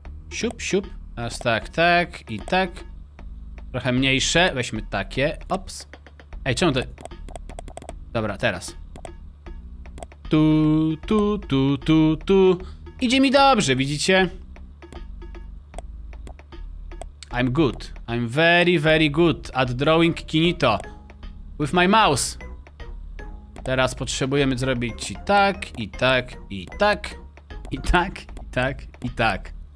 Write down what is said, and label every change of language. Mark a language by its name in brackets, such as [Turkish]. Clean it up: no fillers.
[Polish] Siup, siup. Teraz tak, tak i tak. Trochę mniejsze. Weźmy takie. Ops. Ej, czemu to... Dobra, teraz. Tu, tu, tu, tu, tu. Idzie mi dobrze, widzicie? [English] I'm good. I'm very, very good at drawing Kinito. With my mouse. [Polish] Teraz potrzebujemy zrobić ci tak, i tak, i tak, i tak, i tak, i tak.